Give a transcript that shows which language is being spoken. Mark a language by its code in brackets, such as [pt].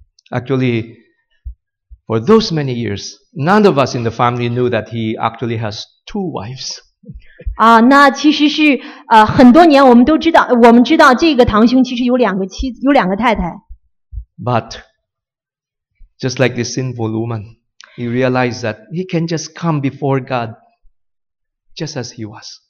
[en] Actually, for those many years, none of us in the family knew that he actually has two wives. [zh] 那其实是很多年我们都知道，我们知道这个堂兄其实有两个妻子，有两个太太。 [en] But just like this sinful woman, he realized that he can just come before God just as he was.